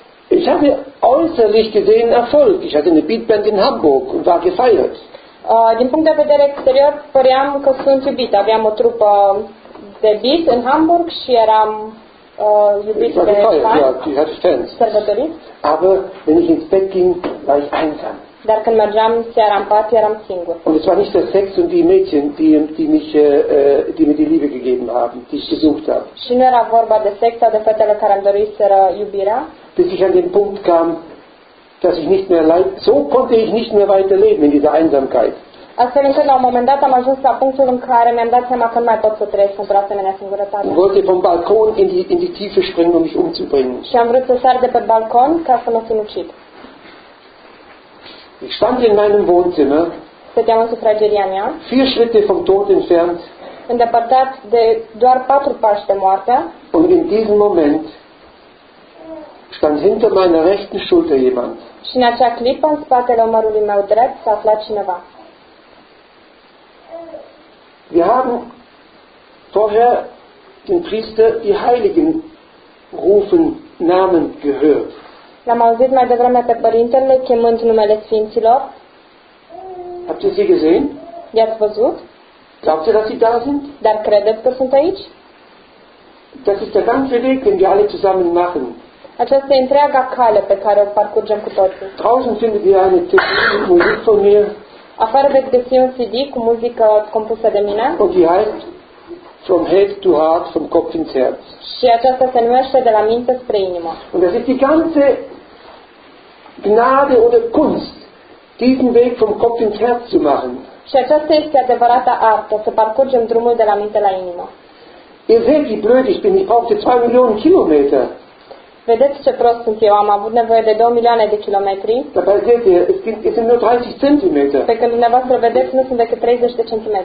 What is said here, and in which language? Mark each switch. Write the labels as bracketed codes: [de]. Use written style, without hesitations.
[de] Ich habe äußerlich gesehen Erfolg. Ich hatte eine Beatband in Hamburg und war gefeiert. [ro] Din punct de vedere exterior, păream că sunt iubit. Aveam o trupă de beat în Hamburg și eram... [de] Ich war gefeiert, ja, die hatte ich Fans. Aber wenn ich ins Bett ging, war ich einsam. [ro] Dar când mergeam seara în pat, eram singur. [de] Und es war nicht der Sex und die Mädchen, die mir die Liebe gegeben haben, die ich gesucht habe. [ro] Și nu era vorba de sex sau de fetele care îmi doriseră iubirea. [de] Bis ich an den Punkt kam, dass ich nicht mehr leid, so konnte ich nicht mehr weiterleben in dieser Einsamkeit. [ro] Astfel încât la un moment dat am ajuns la punctul în care mi-am dat seama că nu mai pot să trăiesc într-o asemenea singurătate. [de] Wollte vom Balkon in die Tiefe springen, um mich umzubringen. [ro] Și am vrut să sar de pe balcon ca să mă sinucid. [de] Ich stand in meinem Wohnzimmer. [ro] Stăteam în sufrageria mea. [de] Vier Schritte vom Tod entfernt. [ro] îndepărtat de doar patru pași de moarte. [de] Und in diesem Moment stand hinter meiner rechten Schulter jemand. [ro] Și în acea clipă, în spatele umărului meu drept, s-a aflat cineva. [de] Wir haben vorher den Priester die Heiligen rufen Namen gehört. [ro] L-am auzit mai devreme pe Părintele chemând numele Sfinților. [de] Habt ihr sie gesehen? [ro] I-ați văzut? [de] Glaubt ihr, dass sie da sind? [ro] Dar credeți că sunt aici? [de] Das ist der ganze Weg, den wir alle zusammen machen. [ro] Aceasta e întreaga cale pe care o parcurgem cu toții. [de] Draußen findet ihr eine Musik von mir. [ro] Afară veți găsi un CD cu muzică compusă de mine. [de] Und die heißt From Head to Heart, From Kopf ins Herz. [ro] Și aceasta se numește De la minte spre inimă. [de] Und das ist die ganze Gnade oder Kunst, diesen Weg vom Kopf ins Herz zu machen. [ro] Și aceasta este adevărata artă, să parcurgem drumul de la minte la inimă. [de] Ihr seht, wie blöd ich bin, ich brauchte 2 Millionen Kilometer. [ro] Vedeți ce prost sunt eu, am avut nevoie de 2 milioane de kilometri. [de] Dabei seht ihr, es sind nur 30 cm. [ro] Pe când dumneavoastră vedeți, nu sunt decât 30 de cm.